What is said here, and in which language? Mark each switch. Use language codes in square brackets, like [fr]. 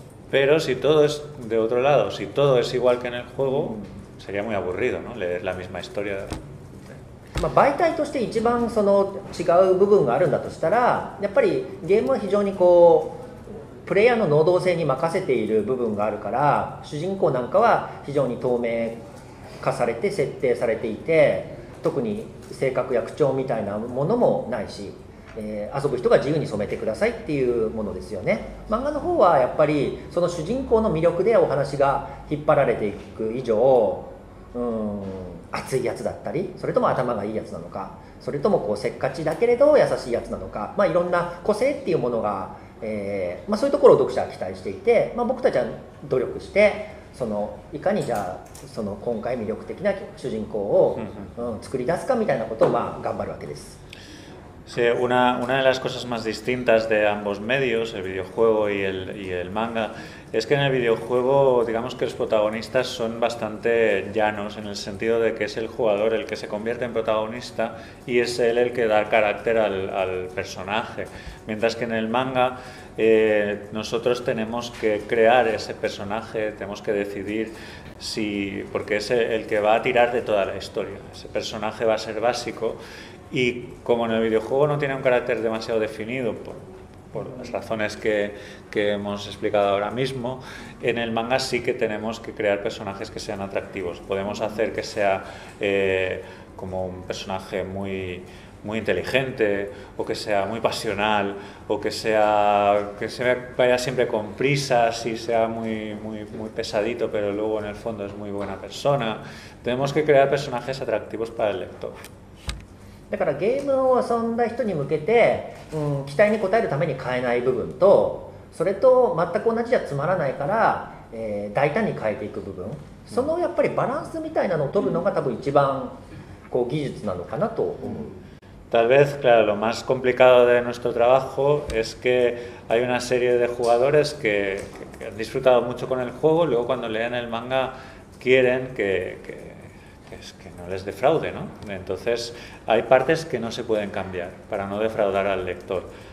[es] Pero si todo es de otro lado, si todo es igual que en el juego, sería muy aburrido, ¿no? Leer la misma historia. [ja] まあ、媒体として一番その違う部分があるんだとしたら、やっぱりゲームは非常にこう、プレイヤーの能動性に任せている部分があるから、主人公なんかは非常に透明化されて設定されていて、特に性格や口調みたいなものもないし、遊ぶ人が自由に染めてくださいっていうものですよね。漫画の方はやっぱりその主人公の魅力でお話が引っ張られていく以上、熱いやつだったり、それとも頭がいいやつなのか、それともこうせっかちだけれど優しいやつなのか、まあ、いろんな個性っていうものが、まあ、そういうところを読者は期待していて、まあ、僕たちは努力してそのいかにじゃあその今回魅力的な主人公を、作り出すかみたいなことを、まあ、頑張るわけです。 [es] Sí, una de las cosas más distintas de ambos medios, el videojuego y el manga, es que en el videojuego, digamos que los protagonistas son bastante llanos, en el sentido de que es el jugador el que se convierte en protagonista y es él el que da carácter al personaje. Mientras que en el manga, nosotros tenemos que crear ese personaje, tenemos que decidir si, porque es el que va a tirar de toda la historia. Ese personaje va a ser básico. Y como en el videojuego no tiene un carácter demasiado definido, por las razones que hemos explicado ahora mismo, en el manga sí que tenemos que crear personajes que sean atractivos. Podemos hacer que sea como un personaje muy, muy inteligente, o que sea muy pasional, o que se vaya siempre con prisas y sea muy, muy, muy pesadito, pero luego en el fondo es muy buena persona. Tenemos que crear personajes atractivos para el lector. [ja] だからゲームを遊んだ人に向けて、期待に応えるために変えない部分と、それと全く同じじゃつまらないから、大胆に変えていく部分、そのやっぱりバランスみたいなのを取るのが多分一番こう技術なのかなと思う。 [es] Tal vez, claro, lo más complicado de nuestro trabajo es que hay una serie de jugadores que han disfrutado mucho con el juego, luego cuando leen el manga quieren que no les defraude, ¿no? Entonces, hay partes que no se pueden cambiar para no defraudar al lector.